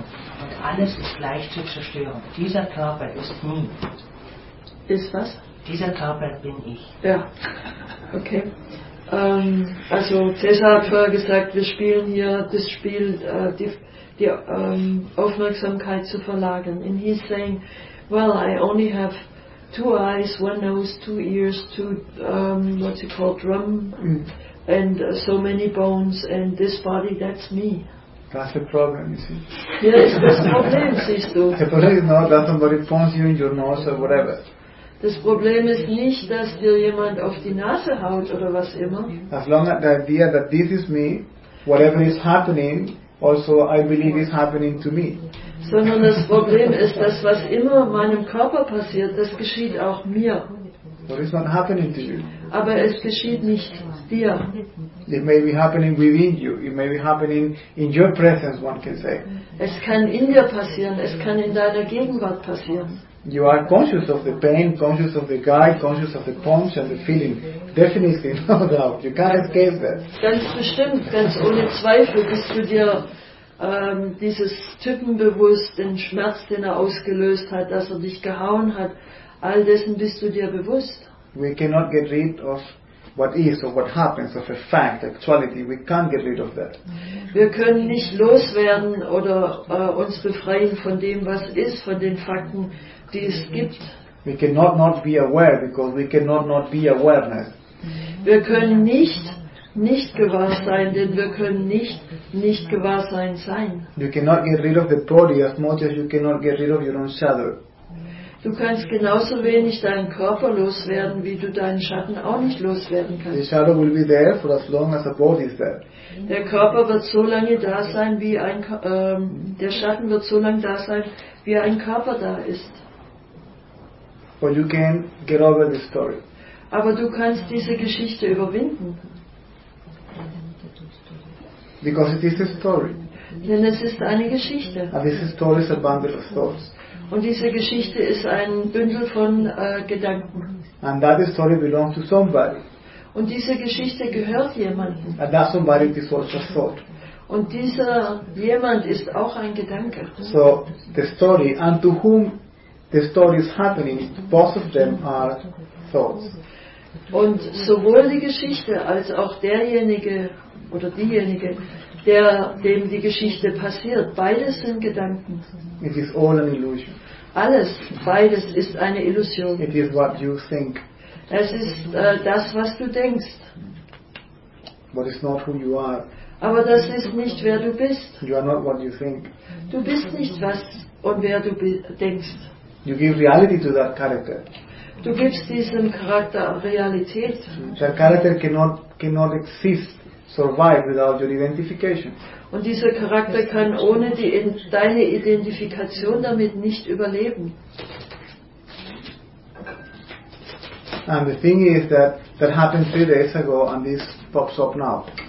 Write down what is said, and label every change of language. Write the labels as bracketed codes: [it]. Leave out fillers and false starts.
[de] Und alles ist gleich zu zerstören. Dieser Körper ist nie. Ist was? Dieser Körper bin ich. Ja. Okay. Also Cäsar hat vorher gesagt, wir spielen hier das Spiel, die Aufmerksamkeit zu verlagern. [en] And he's saying, well, I only have two eyes, one nose, two ears, two drum, and so many bones, and this body, that's me. That's the problem, you see. Yes, that's the problem, [de] siehst du. [en] The problem is not that somebody points you in your nose or whatever. [de] Das Problem ist nicht, dass dir jemand auf die Nase haut oder was immer. [en] As long as the idea that this is me, whatever is happening, also I believe is happening to me. [de] Sondern das Problem ist, dass was immer meinem Körper passiert, das geschieht auch mir. [en] But it's not happening to you. [de] Aber es geschieht nicht dir. [en] It may be happening within you. It may be happening in your presence, one can say. [de] Es kann in dir passieren. Es kann in deiner Gegenwart passieren. [en] You are conscious of the pain, conscious of the guy, conscious of the punch and the feeling. Definitely, no doubt. You can't escape that. [de] Ganz bestimmt, ganz ohne Zweifel bist du dir dieses Typen bewusst, den Schmerz, den ausgelöst hat, dass dich gehauen hat. All dessen bist du dir bewusst. [en] We cannot get rid of what is or what happens, of a fact, actuality. We can't get rid of that. [de] Wir können nicht loswerden oder uns befreien von dem, was ist, von den Fakten, die es gibt. [en] We cannot not be aware, because we cannot not be awareness. [de] Wir können nicht nicht gewahr sein, denn wir können nicht nicht gewahr sein sein. [en] You cannot get rid of the body as much as you cannot get rid of your own shadow. [de] Du kannst genauso wenig deinen Körper loswerden, wie du deinen Schatten auch nicht loswerden kannst. [en] The shadow will be there for as long as the body is there. [de] Der Körper wird so lange da sein, wie ein der Schatten wird so lange da sein, wie ein Körper da ist. [en] But you can get over the story. [de] Aber du kannst diese Geschichte überwinden. [en] Because it is a story. [de] Denn es ist eine Geschichte. [en] And this story is a bundle of thoughts. [de] Und diese Geschichte ist ein Bündel von Gedanken. [en] And that story belongs to somebody. [de] Und diese Geschichte gehört jemandem. [en] And that somebody is also a thought. [de] Und dieser jemand ist auch ein Gedanke. [en] So the story and to whom the story is happening, both of them are thoughts. [de] Und sowohl die Geschichte als auch derjenige oder diejenige, der dem die Geschichte passiert, beides sind Gedanken. [en] It is all an illusion. [de] Alles, beides ist eine Illusion. [en] It is what you think. [de] Es ist das, was du denkst. [en] But it's not who you are. [de] Aber das ist nicht, wer du bist. [en] You are not what you think. [de] Du bist nicht, was und wer du denkst. [en] You give reality to that character. [de] Du gibst diesem Charakter Realität. [en] That character cannot exist, survive without your identification. [de] Und dieser Charakter kann ohne deine Identifikation damit nicht überleben. [en] And the thing is that happened 3 days ago and this pops up now.